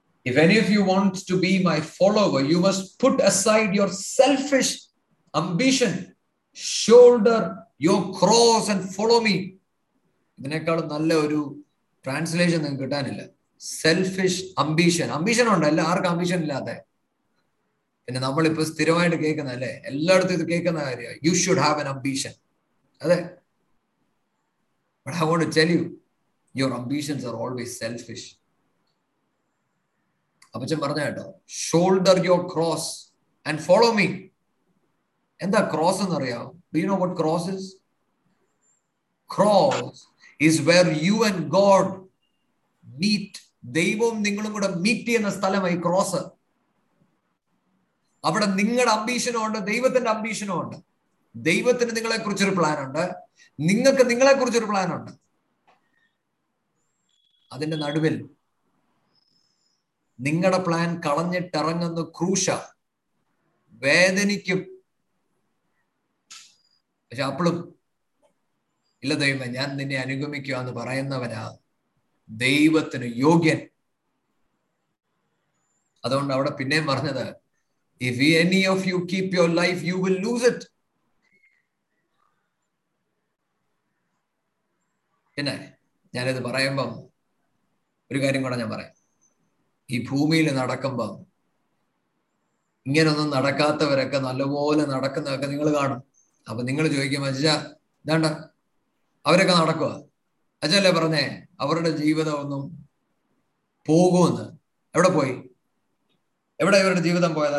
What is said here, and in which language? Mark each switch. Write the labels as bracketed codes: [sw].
[en] If any of you want to be my follower, you must put aside your selfish ambition, shoulder your cross and follow me. [ml] ഇതിനേക്കാളും നല്ല ഒരു translation നിങ്ങൾക്ക് കിട്ടാനില്ല. Selfish ambition, ambition ഉണ്ടല്ലേ, ആർക്കും ambition ഇല്ലാതെ. പിന്നെ നമ്മളിപ്പോ സ്ഥിരമായിട്ട് കേൾക്കുന്ന അല്ലേ, എല്ലായിടത്തും ഇത് കേൾക്കുന്ന കാര്യമാണ്, [en] You should have an ambition. അതെ, I won't tell you, your ambitions are always selfish. [ml] അപ്പച്ചൻ പറഞ്ഞ കേട്ടോ, [en] Shoulder your cross and follow me. [ml] എന്താ ക്രോസ് എന്ന് അറിയാം? [en] Do you know what cross is? Cross is where you and God meet. [ml] ദൈവവും നിങ്ങളും കൂടെ meet ചെയ്യുന്ന സ്ഥലമായി ക്രോസ്. അവിടെ നിങ്ങളുടെ അംബീഷനും ഉണ്ട്, ദൈവത്തിന്റെ അംബീഷനും ഉണ്ട്. ദൈവത്തിന് നിങ്ങളെ കുറിച്ചൊരു പ്ലാൻ ഉണ്ട്, നിങ്ങൾക്ക് നിങ്ങളെ കുറിച്ചൊരു പ്ലാൻ ഉണ്ട്. അതിന്റെ നടുവിൽ നിങ്ങളുടെ പ്ലാൻ കളഞ്ഞിട്ടിറങ്ങുന്ന ക്രൂശ വേദനിക്കും. പക്ഷെ അപ്പോഴും ഇല്ല ദൈവം ഞാൻ നിന്നെ അനുഗമിക്കുക എന്ന് പറയുന്നവനാ ദൈവത്തിന് യോഗ്യൻ. അതുകൊണ്ട് അവിടെ പിന്നെയും പറഞ്ഞത് [en] If any of you keep your life, you will lose it. [ml] പിന്നെ ഞാനിത് പറയുമ്പം ഒരു കാര്യം കൂടെ ഞാൻ പറയാം. ഈ ഭൂമിയിൽ നടക്കുമ്പം ഇങ്ങനൊന്നും നടക്കാത്തവരൊക്കെ നല്ലപോലെ നടക്കുന്നതൊക്കെ നിങ്ങൾ കാണും. അപ്പൊ നിങ്ങൾ ചോദിക്കും, അച്ഛാ ഇതാണ്ട അവരൊക്കെ നടക്കുക, അച്ഛല്ലേ പറഞ്ഞേ അവരുടെ ജീവിതം ഒന്നും പോകുമെന്ന്. എവിടെ പോയി? എവിടെ ഇവരുടെ ജീവിതം പോയത്?